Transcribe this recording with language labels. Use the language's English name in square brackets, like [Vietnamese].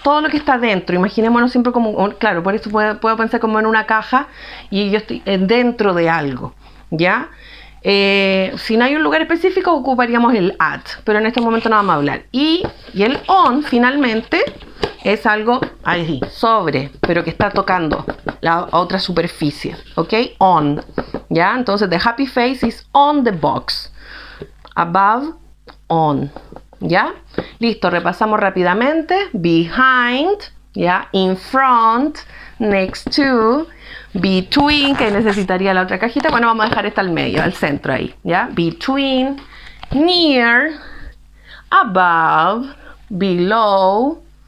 [Spanish] Todo lo que está adentro, imaginémonos siempre como, claro, por eso puedo pensar como en una caja y yo estoy dentro de algo, ¿ya? Si no hay un lugar específico, ocuparíamos el at, pero en este momento no vamos a hablar. Y el on, finalmente. Es algo ahí, sobre, pero que está tocando la otra superficie. ¿Ok? On. ¿Ya? Entonces, [English] the happy face is on the box. [Spanish] Above, on. ¿Ya? Listo, repasamos rápidamente. Behind, ¿ya? In front, next to, between, que necesitaría la otra cajita. Bueno, vamos a dejar esta al medio, al centro ahí. ¿Ya? [English] Between, near, above, below.